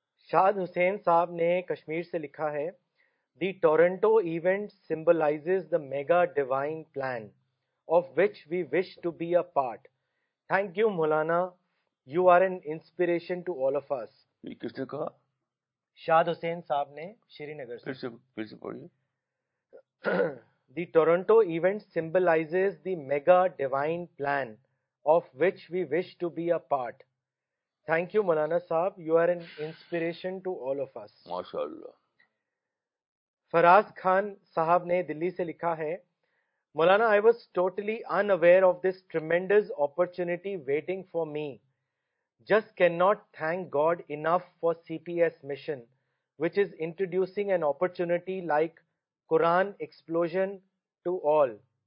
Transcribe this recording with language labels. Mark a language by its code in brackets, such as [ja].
[ur] شاد حسین صاحب نے کشمیر سے لکھا ہے [en] The Toronto event symbolizes the mega divine plan of which we wish to be a part. Thank you Maulana, you are an inspiration to all of us. [ur] کس نے کہا؟ شاد حسین صاحب نے شری نگر سے. پھر سے پڑھیے. [en] The Toronto event symbolizes the mega divine plan of which we wish to be a part. Thank you Maulana sahab, you are an inspiration to all of us. [ar] MashaAllah. [ur] Faraz Khan sahab ne Delhi se likha hai, [en] Maulana, I was totally unaware of this tremendous opportunity waiting for me. Just cannot thank God enough for CPS mission, which is introducing an opportunity like Quran explosion to all.